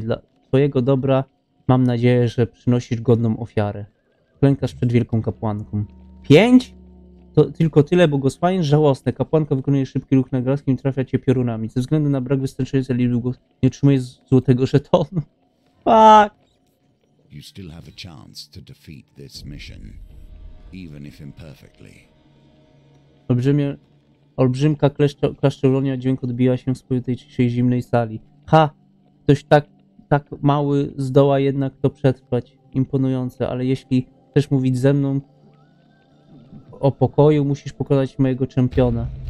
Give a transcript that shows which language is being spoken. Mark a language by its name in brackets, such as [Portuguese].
[Polish] Dla twojego dobra mam nadzieję, że przynosisz godną ofiarę. Klękasz przed wielką kapłanką. 5? To tylko tyle błogosławieństw? Żałosne. Kapłanka wykonuje szybki ruch na graskim i trafia cię piorunami. Ze względu na brak wystarczającej liczby błogosławieństw nie otrzymuje złotego żetonu. [English] Fuck! You still have a chance to defeat this mission, even if imperfectly. [Polish] Olbrzymka klaszczelonia dźwięk odbiła się w spojrzeniu tej ciszej zimnej sali. Ha! Ktoś tak mały zdoła jednak to przetrwać. Imponujące, ale jeśli chcesz mówić ze mną o pokoju, musisz pokonać mojego czempiona.